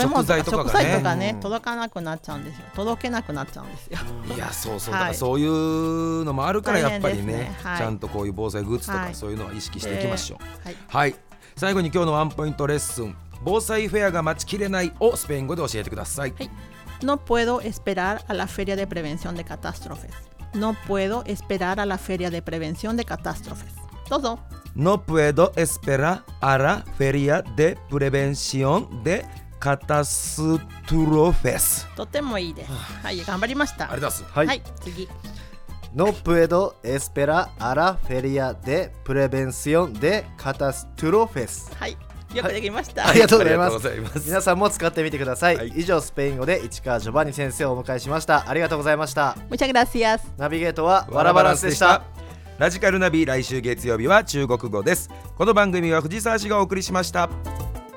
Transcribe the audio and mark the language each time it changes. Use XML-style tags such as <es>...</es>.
<ja>食材とかね、うん、届かなくなっちゃうんですよ。届けなくなっちゃうんですよ。いや、そうそう、はい、だからそういうのもあるから、やっぱりね、はい、ちゃんとこういう防災グッズとかそういうのは意識していきましょう。はい、はい、最後に今日のワンポイントレッスン、防災フェアが待ちきれないをスペイン語で教えてください。</ja> <es>はい、No puedo esperar a la Feria de Prevención de Catástrofes. No puedo esperar a la Feria de Prevención de Catástrofes.</es> <ja>どうぞ。</ja> <es>No puedo esperar a la Feria de Prevención de Catástrofes.</es> <ja>とてもいいです。はい、頑張りました。ありがとうございます。はい、はい、次。</ja> <es>No puedo esperar a la Feria de Prevención de Catástrofes.</es> <ja>はい、よくできました。ありがとうございます。皆さんも使ってみてください。はい、以上、スペイン語で市川ジョバンニ先生をお迎えしました。ありがとうございました。</ja> <es>Muchas gracias。</es> <ja>ナビゲートはワラバランスでした。ラジカルナビ、来週月曜日は中国語です。この番組は藤沢市がお送りしました。</ja>